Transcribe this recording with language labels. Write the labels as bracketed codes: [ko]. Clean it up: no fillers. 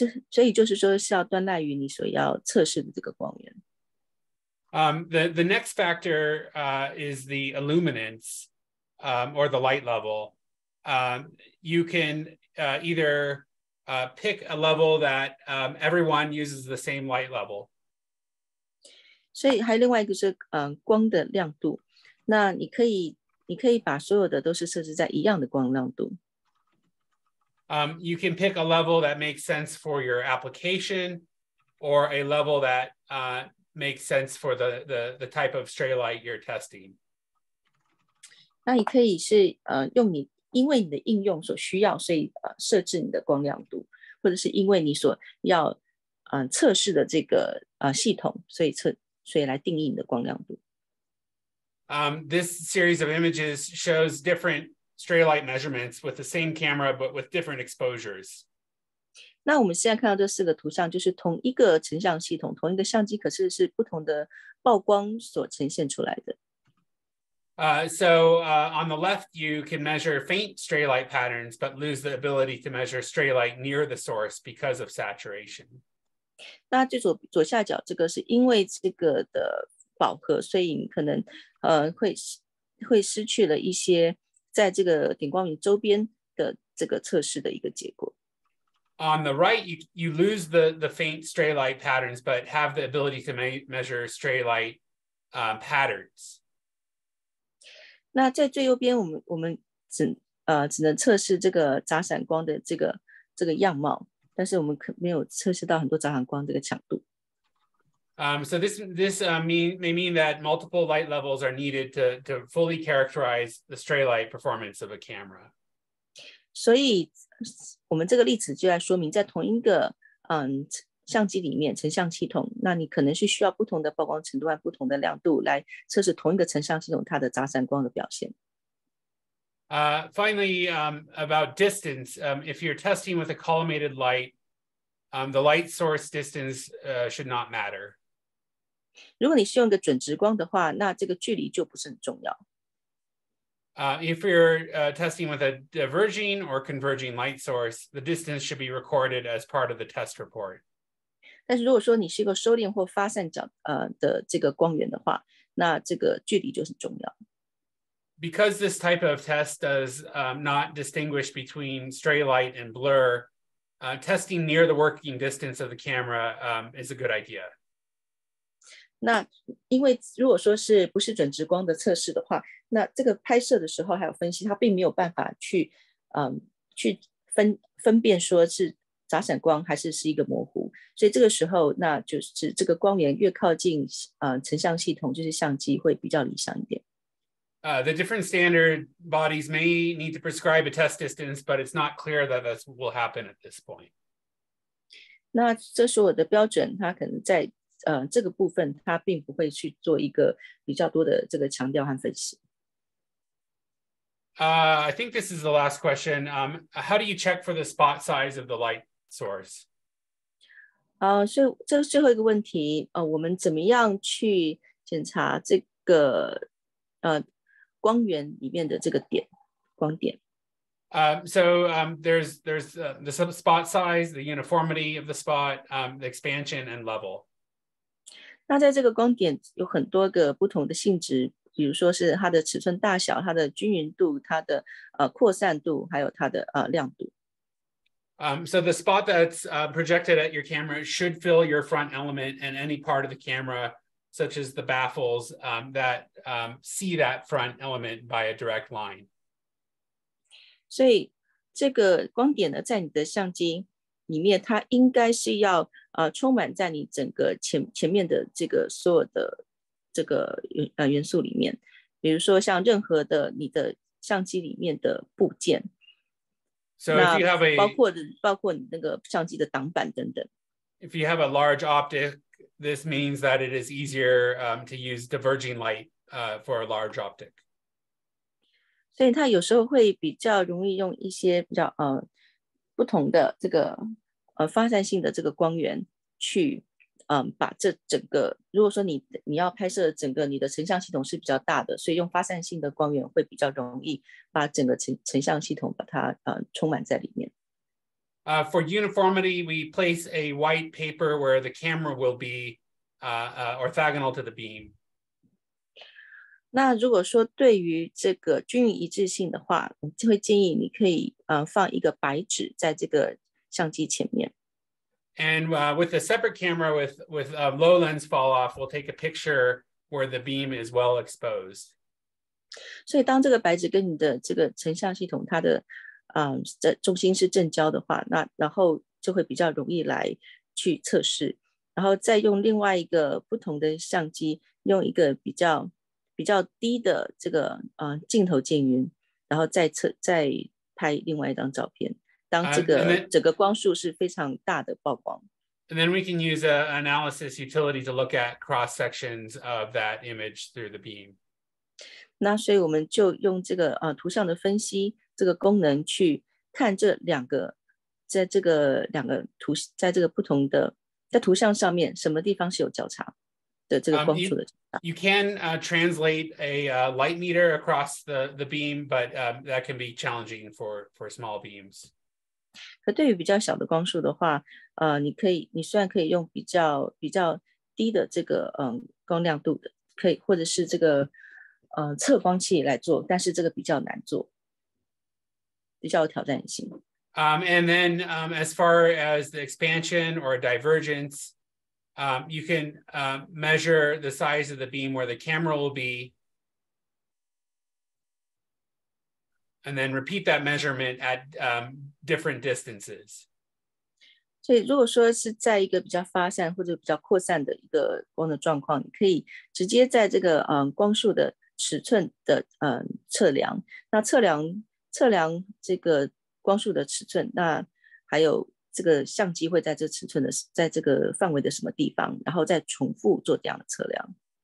[zh] 所以就是说是要端赖于你所要测试的这个光源。 [en] The next factor is the illuminance or the light level. You can either pick a level that everyone uses the same light level. [zh] 所以还有另外一个是光的亮度。那你可以把所有的都是设置在一样的光亮度。 [en] You can pick a level that makes sense for your application or a level that make sense for the type of stray light you're testing. [zh] 那你可以是用你因为你的应用所需要，所以设置你的光亮度，或者是因为你所要测试的这个系统，所以来定义你的光亮度。 [en] This series of images shows different stray light measurements with the same camera but with different exposures. [zh] 那我们现在看到这四个图像就是同一个成像系统同一个相机可是是不同的曝光所呈现出来的。 [en] So on the left, you can measure faint stray light patterns, but lose the ability to measure stray light near the source because of saturation. [zh] 那最左下角这个是因为这个的饱和所以你可能会失去了一些在这个顶光源周边的这个测试的一个结果。 [en] On the right, you lose the faint stray light patterns, but have the ability to measure stray light patterns. [zh] 那在最右边我们只能测试这个杂散光的这个样貌，但是我们可没有测试到很多杂散光这个强度。 [en] So this may mean that multiple light levels are needed to fully characterize the stray light performance of a camera. [zh] 所以我们这个例子就来说明在同一个相机里面成像系统那你可能是需要不同的曝光程度和不同的亮度来测试同一个成像系统它的杂散光的表现。 [en] Finally, about distance, if you're testing with a collimated light, the light source distance should not matter. [zh] 如果你是用一个准直光的话，那这个距离就不是很重要。 [en] If you're testing with a diverging or converging light source, the distance should be recorded as part of the test report. [zh] 但是如果说你是一个收敛或发散角的这个光源的话，那这个距离就是重要。 [en] Because this type of test does not distinguish between stray light and blur, testing near the working distance of the camera is a good idea. [zh] 那因为如果说是不是准直光的测试的话，那这个拍摄的时候还有分析，它并没有办法去去分辨说是杂闪光还是是一个模糊，所以这个时候那就是这个光源越靠近成像系统，就是相机会比较理想一点。 [en] The different standard bodies may need to prescribe a test distance, but it's not clear that this will happen at this point. [zh] 那这是我的标准，它可能在这个部分它并不会去做一个比较多的这个强调和分析。 [en] I think this is the last question. How do you check for the spot size of the light source? [zh] 所以这最后一个问题，我们怎么样去检查这个光源里面的这个点，光点。 [en] So there's the spot size, the uniformity of the spot, the expansion and level. [zh] 那在这个光点有很多个不同的性质，比如说是它的尺寸大小、它的均匀度、它的扩散度，还有它的亮度。 [en] So the spot that's projected at your camera should fill your front element and any part of the camera. Such as the baffles that see that front element by a direct line. [zh] 所以这个光点呢，在你的相机里面，它应该是要充满在你整个前面的这个所有的这个元素里面，比如说像任何的你的相机里面的部件。 [en] So if you have a [zh] 包括你那个相机的挡板等等。 [en] If you have a large optic. This means that it is easier to use diverging light for a large optic. [zh] 所以它有时候会比较容易用一些比较不同的这个发散性的这个光源去把这整个，如果说你要拍摄整个你的成像系统是比较大的，所以用发散性的光源会比较容易把整个成像系统把它充满在里面。 [en] For uniformity, we place a white paper where the camera will be orthogonal to the beam. [zh] 那如果说对于这个均匀一致性的话，我就会建议你可以放一个白纸在这个相机前面。 [en] And with a separate camera with a low lens fall off, we'll take a picture where the beam is well exposed. [zh] 所以当这个白纸跟你的这个成像系统它的重心是正交的话，那然后就会比较容易来去测试，然后再用另外一个不同的相机，用一个比较低的这个镜头静音，然后再拍另外一张照片，当这个整个光束是非常大的曝光。 [en] And then we can use an analysis utility to look at cross sections of that image through the beam. [zh] 那所以我们就用这个图像的分析。这个功能去看这两个，在这个两个图，在这个不同的在图像上面，什么地方是有交叉的这个光束的交叉。 [en] You can translate a light meter across the beam, but that can be challenging for small beams. [zh] 可对于比较小的光束的话，你虽然可以用比较低的这个光亮度的，可以或者是这个测光器来做，但是这个比较难做。比较有挑战性。 [en] And then as far as the expansion or divergence, you can measure the size of the beam where the camera will be, and then repeat that measurement at different distances. [zh] 所以如果说是在一个比较发散或者比较扩散的一个光的状况，你可以直接在这个光束的尺寸的测量，那测量这个光束的尺寸，那还有这个相机会在这尺寸的，在这个范围的什么地方，然后再重复做这样的测量。